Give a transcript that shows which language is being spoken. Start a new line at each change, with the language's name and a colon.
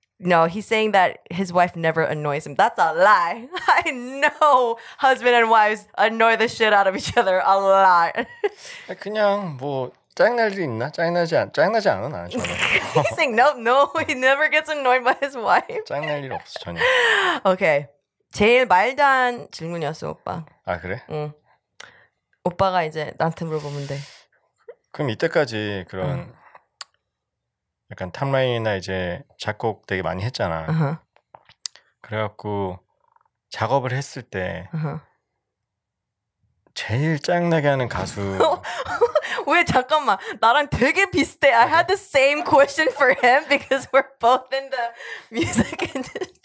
English: No, he's saying that his wife never annoys him. That's a lie. I know husband and wives annoy the shit out of each other a lot.
Korean: 그냥 뭐 짜증날 일 있나? 짜증나지 않아 나는 전혀.
English: He's saying no, he never gets annoyed by his wife.
Korean: 짜증날 일 없어 전혀. Okay, 제일 말도 안 질문이었어 오빠. 아 그래? 응. 오빠가 이제 나한테 물어보면 돼. 그럼 이때까지 그런 약간 탑라인이나 이제 작곡 되게 많이 했잖아. 그래갖고 작업을 했을 때 제일 짜증나게 하는 가수. 왜 잠깐만 나랑 되게 비슷해.
English: I had the same question for him because we're both in the music industry.